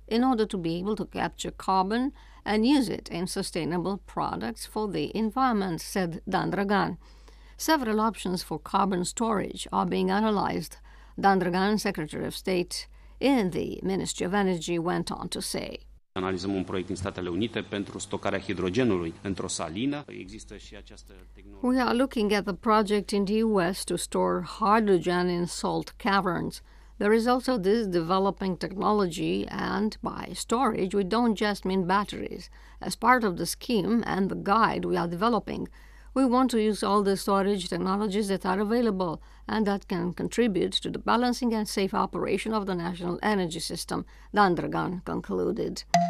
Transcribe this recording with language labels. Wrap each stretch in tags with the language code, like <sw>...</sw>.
<en>in order to be able to capture carbon and use it in sustainable products for the environment, said Dan Dragan. Several options for carbon storage are being analyzed, Dan Dragan, Secretary of State in the Ministry of Energy, went on to say.</en> <ro>Analizăm un proiect în Statele Unite pentru stocarea hidrogenului într-o salină. Există și această tehnologie.</ro> <en>We are looking at the project in the US to store hydrogen in salt caverns. There is also this developing technology, and by storage we don't just mean batteries. As part of the scheme and the guide we are developing, we want to use all the storage technologies that are available and that can contribute to the balancing and safe operation of the national energy system, Dan Dragan concluded.</en>